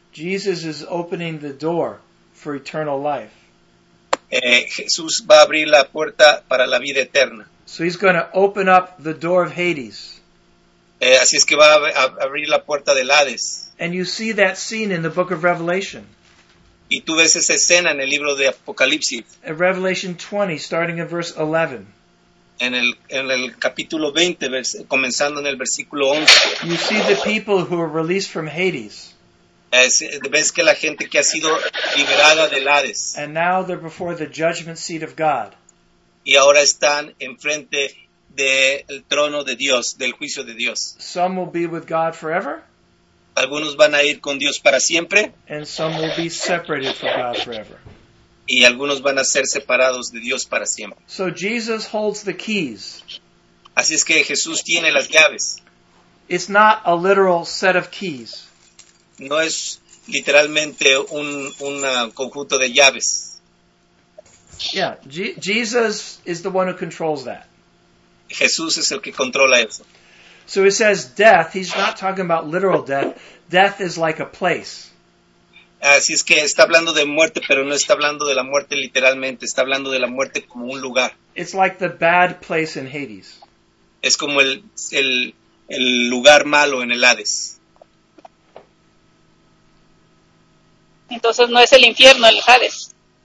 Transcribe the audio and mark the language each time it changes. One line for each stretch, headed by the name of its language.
English: Jesus is opening the door for eternal life.
Spanish: Jesús va a abrir la puerta para la vida eterna.
English: So he's going to open up the door of Hades.
Spanish: Así es que va a abrir la puerta del Hades.
English: And you see that scene in the book of Revelation.
Spanish: Y tú ves esa escena en el libro de Apocalipsis.
English: In Revelation 20, starting in verse 11.
Spanish: En el capítulo 20, comenzando en el versículo 11.
English: You see the people who are released from Hades.
Spanish: Ves que la gente que ha sido liberada del Hades.
English: And now they're before the judgment seat of God.
Spanish: Y ahora están enfrente del trono de Dios, del juicio de Dios.
English: Some will be with God forever.
Spanish: Algunos van a ir con Dios para siempre.
English: And some will be separated from God forever.
Spanish: Y algunos van a ser separados de Dios para siempre.
English: So Jesus holds the keys.
Spanish: Así es que Jesús tiene las llaves.
English: It's not a literal set of keys.
Spanish: No es literalmente un conjunto de llaves.
English: Yeah, Jesus is the one who controls that.
Spanish: Jesús es el que controla eso.
English: So he says death, he's not talking about literal death. Death is like a place.
Spanish: Así es que está hablando de muerte, pero no está hablando de la muerte literalmente. Está hablando de la muerte como un lugar.
English: It's like the bad place in Hades.
Spanish: Es como el lugar malo en el Hades. Entonces no es el infierno, el Hades.